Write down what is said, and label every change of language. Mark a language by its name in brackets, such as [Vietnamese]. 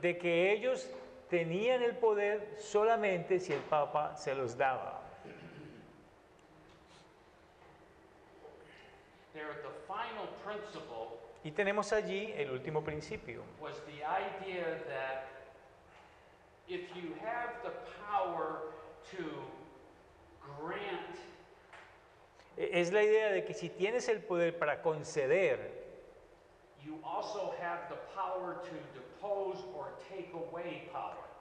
[Spanish] De que ellos tenían el poder solamente si el Papa se los daba. [English] There, the final principle, [Spanish] y tenemos allí el último principio. [English] Was the idea that if you have the power to grant, [Spanish] es la idea de que si tienes el poder para conceder, [English] you also have the power to depose or take away power.